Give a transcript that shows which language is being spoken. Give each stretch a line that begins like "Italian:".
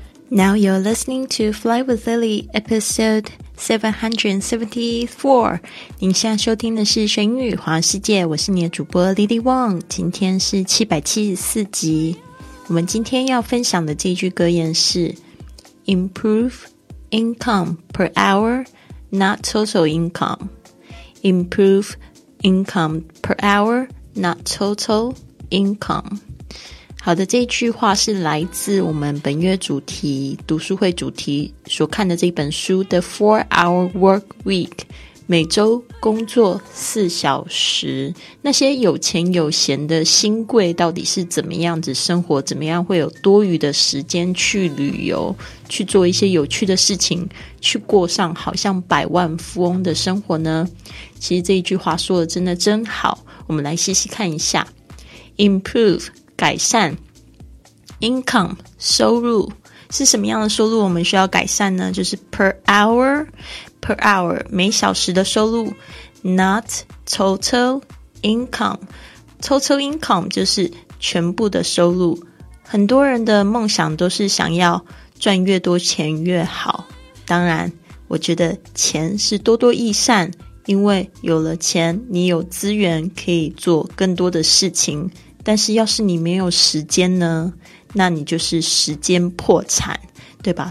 English: Now you're listening to Fly with Lily, episode 774.
Chinese: 您现在收听的是玄语环游世界，我是你的主播 Lily Wong。今天是774集。我们今天要分享的这句格言是
English: Improve income per hour, not total income. Improve income per hour, not total income.
Chinese: 好的，这句话是来自我们本月主题读书会主题所看的这本书 The 4-Hour Work Week， 每周工作四小时。那些有钱有闲的新贵到底是怎么样子生活，怎么样会有多余的时间去旅游，去做一些有趣的事情，去过上好像百万富翁的生活呢？其实这一句话说的真的真好，我们来细细看一下。 Improve改善 income 收入是什么样的收入？我们需要改善呢，就是 per hour 每小时的收入。 not total income， total income 就是全部的收入。很多人的梦想都是想要赚越多钱越好，当然我觉得钱是多多益善，因为有了钱你有资源可以做更多的事情。但是要是你没有时间呢，那你就是时间破产，对吧？